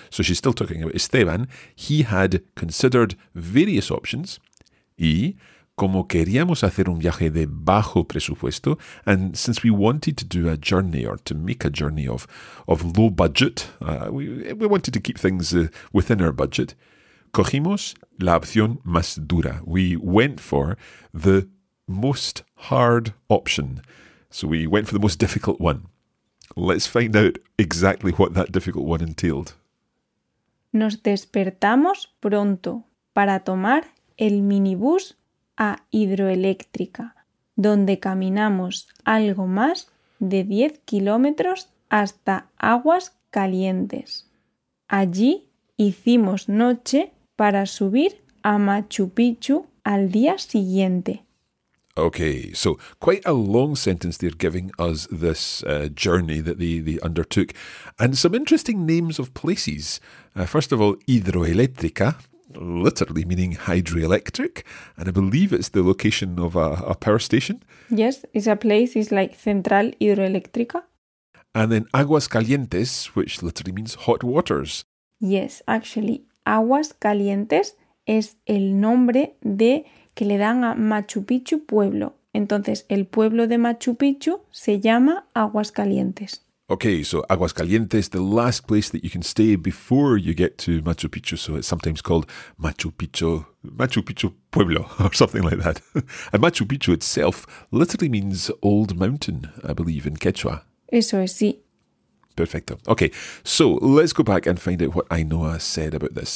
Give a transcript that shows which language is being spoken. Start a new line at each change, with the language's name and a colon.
English: So she's still talking about Esteban. He had considered various options,
Spanish: y como queríamos hacer un viaje de bajo presupuesto,
English: and since we wanted to do a journey or to make a journey of low budget, we wanted to keep things within our budget,
Spanish: cogimos la opción más dura.
English: We went for the most hard option. So we went for the most difficult one. Let's find out exactly what that difficult one entailed.
Spanish: Nos despertamos pronto para tomar el minibús a Hidroeléctrica, donde caminamos algo más de 10 kilómetros hasta Aguas Calientes. Allí hicimos noche para subir a Machu Picchu al día siguiente.
English: Okay, so quite a long sentence they're giving us this journey that they undertook. And some interesting names of places. First of all, Hidroeléctrica, literally meaning hydroelectric, and I believe it's the location of a power station. Yes, it's a place, it's like Central Hidroeléctrica. And then Aguas Calientes, which literally means hot waters. Yes, actually,
Spanish: Aguas Calientes es el nombre de que le dan a Machu Picchu pueblo. Entonces, el pueblo de Machu Picchu se llama Aguas Calientes.
English: Okay, so Aguas Calientes, the last place that you can stay before you get to Machu Picchu. So it's sometimes called Machu Picchu Pueblo or something like that. And Machu Picchu itself literally means old mountain, I believe, in Quechua.
Spanish: Eso es, sí. Perfecto.
English: Okay, so let's go back and find out what Ainhoa said about this.